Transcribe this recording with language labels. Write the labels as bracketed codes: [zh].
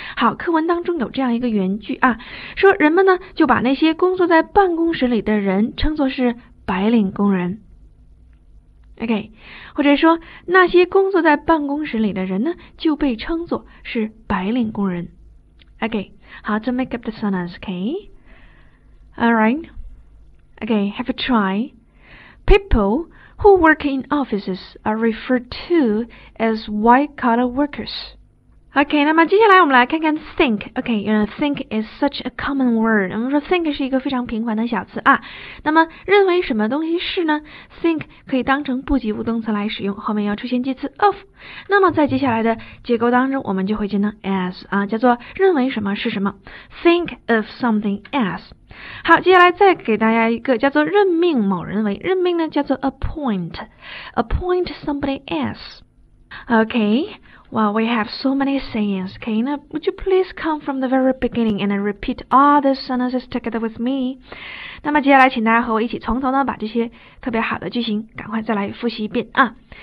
[zh] 好，课文当中有这样一个原句啊，说人们呢就把那些工作在办公室里的人称作是白领工人。 OK, 或者说那些工作在办公室里的人呢就被称作是白领工人。 [en] OK, 好 ,to make up the sentence, OK? Alright. Okay, have a try. People who work in offices are referred to as white-collar workers. [zh] OK, 那么接下来我们来看看 think. [en] OK, you know, think is such a common word. [zh] 我们说 think 是一个非常平凡的小词啊。那么认为什么东西是呢？think 可以当成不及物动词来使用，后面要出现介词 of。那么在接下来的结构当中，我们就会见到 as 啊，叫做认为什么是什么。 [en] think of something as。 [zh] 好，接下来再给大家一个叫做任命某人为，任命呢叫做 appoint。 [en] appoint somebody as。 OK。 Well, we have so many sayings. Okay, now would you please come from the very beginning and repeat all the sentences together with me? [zh] 那么接下来请大家和我一起从头呢把这些特别好的句型赶快再来复习一遍啊。